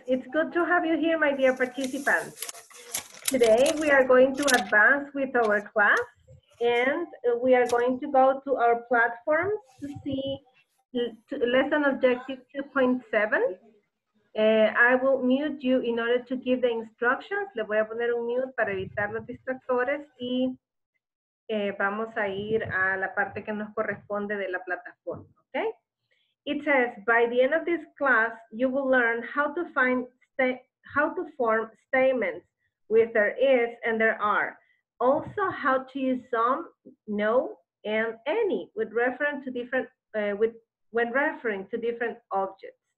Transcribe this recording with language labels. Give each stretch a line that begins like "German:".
English: It's good to have you here, my dear participants. Today we are going to advance with our class and we are going to go to our platform to see lesson objective 2.7. I will mute you in order to give the instructions.
Spanish: Le voy a poner un mute para evitar los distractores y vamos a ir a la parte que nos corresponde de la plataforma, okay?
English: It says, by the end of this class, you will learn how to find how to form statements with there is and there are. Also, how to use some, no, and any with reference to different when referring to different objects.